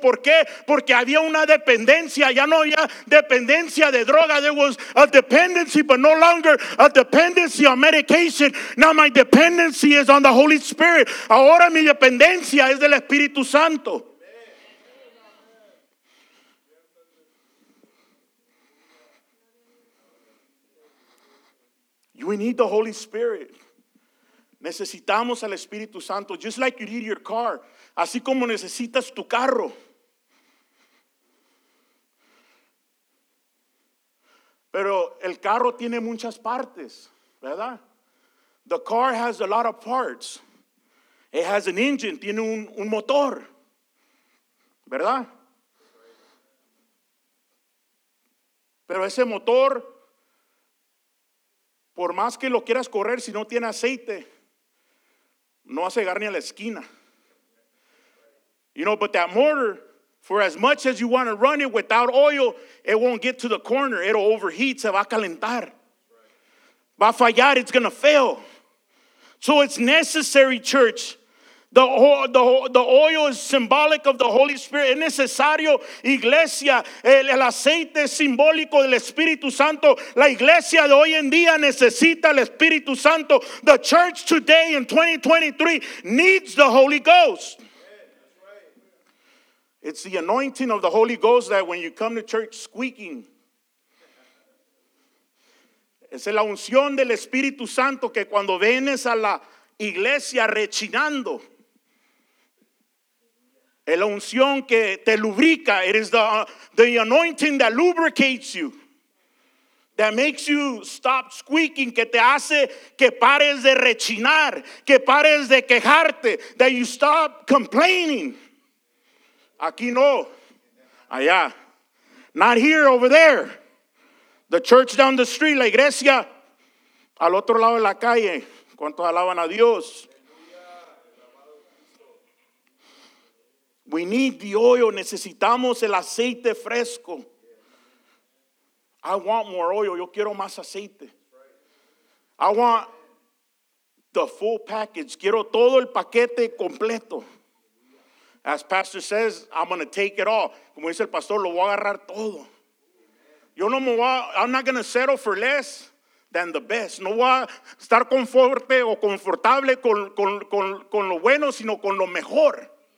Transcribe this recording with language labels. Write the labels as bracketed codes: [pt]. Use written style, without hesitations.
[es] ¿Por qué? Porque había una dependencia. Ya no había dependencia de droga. [en] There was a dependency, but no longer a dependency on medication. Now my dependency is on the Holy Spirit. [es] Ahora mi dependencia es del Espíritu Santo. [en] We need the Holy Spirit. [es] Necesitamos al Espíritu Santo. [en] Just like you need your car. [es] Así como necesitas tu carro. Pero el carro tiene muchas partes, ¿verdad? [en] The car has a lot of parts. It has an engine. [es] Tiene un motor, ¿verdad? Pero ese motor, por más que lo quieras correr, si no tiene aceite, no vas a llegar ni a la esquina. [en] You know, but that motor, for as much as you want to run it without oil, it won't get to the corner. It'll overheat. [es] Se va a calentar. Va a fallar. [en] It's going to fail. So it's necessary, church. The oil is symbolic of the Holy Spirit. [es] Es necesario, iglesia. El aceite es simbólico del Espíritu Santo. La iglesia de hoy en día necesita el Espíritu Santo. [en] The church today in 2023 needs the Holy Ghost. It's the anointing of the Holy Ghost that when you come to church squeaking. [es] Es la unción del Espíritu Santo que cuando vienes a la iglesia rechinando. Es la unción que te lubrica. [en] It is the anointing that lubricates you. That makes you stop squeaking. [es] Que te hace que pares de rechinar. Que pares de quejarte. [en] That you stop complaining. [es] Aquí no. Allá. [en] Not here, over there. The church down the street. [es] La iglesia al otro lado de la calle. ¿Cuántos alaban a Dios? [en] We need the oil. [es] Necesitamos el aceite fresco. [en] I want more oil. [es] Yo quiero más aceite. [en] I want the full package. [es] Quiero todo el paquete completo. [en] As pastor says, I'm going to take it all. [es] Como dice el pastor, lo voy a agarrar todo. Yo no me voy, [en] I'm not going to settle for less than the best. [es] No voy a estar conforme o confortable con lo bueno, sino con lo mejor.